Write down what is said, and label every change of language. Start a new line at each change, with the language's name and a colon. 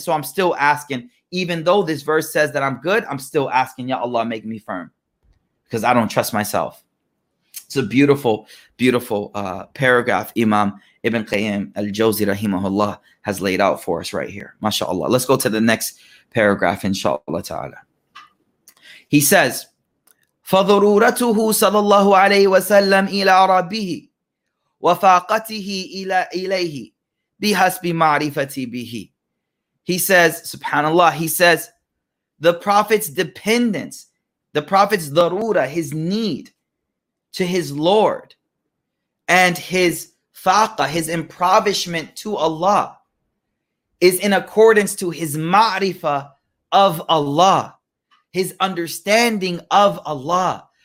English: So I'm still asking. Even though this verse says that I'm good, I'm still asking, ya Allah, make me firm. Because I don't trust myself. It's a beautiful, beautiful paragraph Imam Ibn Qayyim al-Jawzi rahimahullah has laid out for us right here. MashaAllah. Let's go to the next paragraph, inshaAllah ta'ala. He says,
Arabic: فضرورته صلى الله عليه وسلم إلى ربه وفاقته إليه بحسب معرفته به.
English: He says, subhanAllah, he says, the Prophet's dependence, the Prophet's darura, his need to his Lord, and his faqa, his impoverishment to Allah, is in accordance to his ma'rifah of Allah, his understanding of Allah.